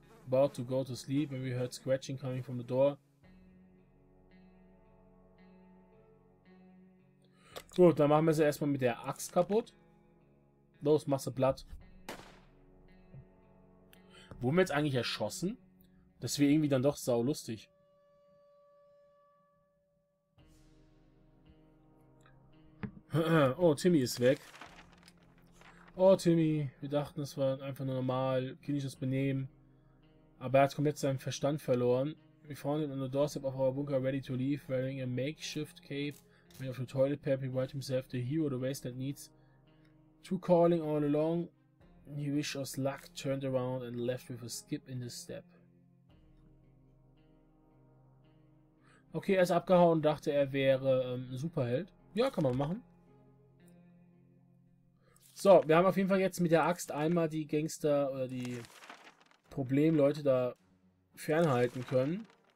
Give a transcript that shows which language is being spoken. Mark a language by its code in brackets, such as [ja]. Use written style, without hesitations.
[en] About to go to sleep when we heard scratching coming from the door. [de] Gut, dann machen wir sie erstmal mit der Axt kaputt. Los, mach sie platt. Wurden wir jetzt eigentlich erschossen? Das wäre irgendwie dann doch sau lustig. Oh, Timmy ist weg. Oh, Timmy. Wir dachten, das war einfach nur normal. Kindisches Benehmen. Aber er hat komplett seinen Verstand verloren. [en] We found him on the doorstep of our bunker ready to leave, wearing a makeshift cape. Made of the toilet paper, he wrote himself the hero the wasteland needs. True calling all along. He wished us luck, turned around and left with a skip in his step. [de] Okay, er ist abgehauen und dachte, er wäre ein Superheld. Ja, kann man machen. So, wir haben auf jeden Fall jetzt mit der Axt einmal die Gangster oder die Problemleute da fernhalten können.